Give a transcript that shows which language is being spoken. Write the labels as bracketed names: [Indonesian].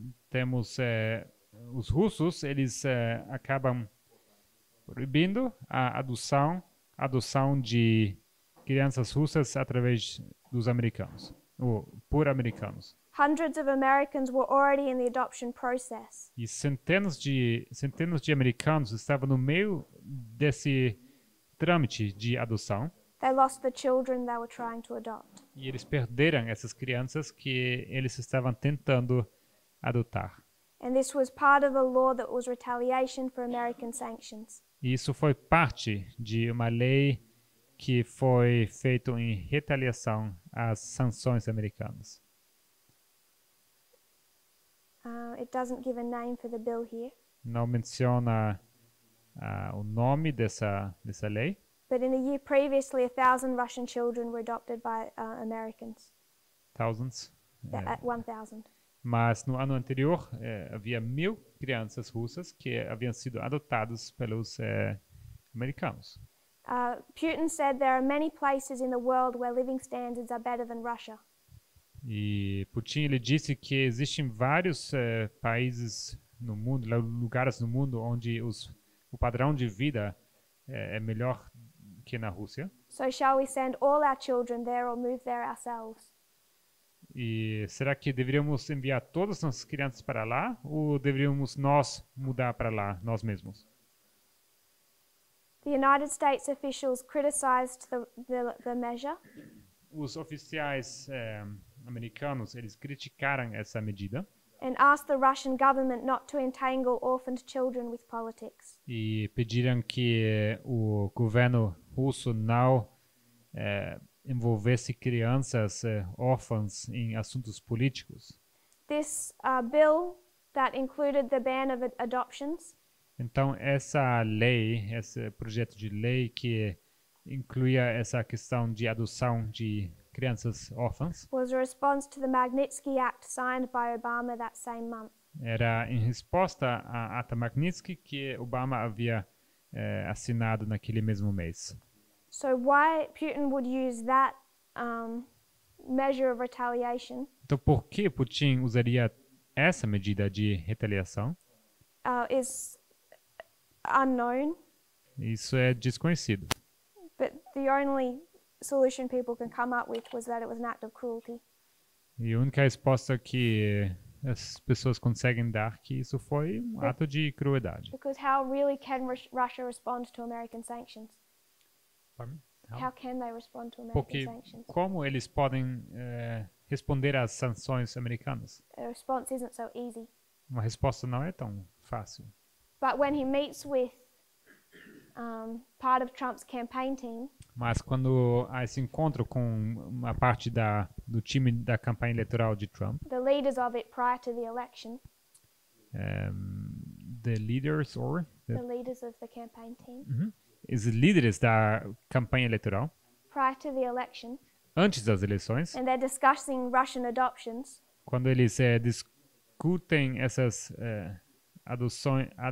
[Portuguese] Temos os russos, eles acabam proibindo a adoção de crianças russas através dos americanos, ou por americanos. [English] Hundreds of Americans were already in the adoption process. [Portuguese] E centenas de americanos estavam no meio desse trâmite de adoção. [English] They lost the children they were trying to adopt. [Portuguese] E eles perderam essas crianças que eles estavam tentando adotar. [English] And this was part of a law that was retaliation for American sanctions. [Portuguese] E isso foi parte de uma lei que foi feita em retaliação às sanções americanas. [English] It doesn't give a name for the bill here. [Portuguese] Não menciona o nome dessa lei. [English] But in the year previously, 1,000 Russian children were adopted by Americans. Thousands? 1,000. [Portuguese] Mas no ano anterior, havia 1,000 crianças russas que haviam sido adotadas pelos americanos. [English] Putin said there are many places in the world where living standards are better than Russia. [Portuguese] E Putin, ele disse que existem vários países no mundo, lugares no mundo onde o padrão de vida é melhor que na Rússia. [English] So shall we send all our children there or move there ourselves? [Portuguese] E será que deveríamos enviar todas as nossas crianças para lá ou deveríamos nós mudar para lá, nós mesmos? [English] The United States officials criticized the measure. [Portuguese] Os oficiais americanos, eles criticaram essa medida. [English] And asked the Russian government not to entangle orphaned children with politics. [Portuguese] E pediram que o governo russo não envolvesse crianças órfãs em assuntos políticos. [English] This bill that included the ban of adoptions. [Portuguese] Então essa lei, esse projeto de lei que incluía essa questão de adoção de crianças órfãs. [English] Was a response to the Magnitsky Act signed by Obama that same month. [Portuguese] Era em resposta à ata Magnitsky que Obama havia assinado naquele mesmo mês. [English] So why Putin would use that measure of retaliation? [Portuguese] Então por que Putin usaria essa medida de retaliação? [English] Is unknown. [Portuguese] Isso é desconhecido. [English] But the only solution people can come up with was that it was an act of cruelty. [Portuguese] E a única resposta que as pessoas conseguem dar que isso foi um ato de crueldade. [English] Because how really can Russia respond to American sanctions? How can they respond to American [Portuguese] Porque [English] sanctions? [Portuguese] Como eles podem responder às sanções americanas? [English] A response isn't so easy. [Portuguese] Uma resposta não é tão fácil. [English] But when he meets with part of Trump's campaign team. [Portuguese] Mas quando há esse encontro com uma parte do time da campanha eleitoral de Trump. [English] The leaders of it prior to the election. The leaders of the campaign team. [Portuguese] Uh-huh. Os líderes da campanha eleitoral. [English] Prior to the election. [Portuguese] Antes das eleições. [English] And they're discussing Russian adoptions. [Portuguese] Quando eles discutem essas adoções.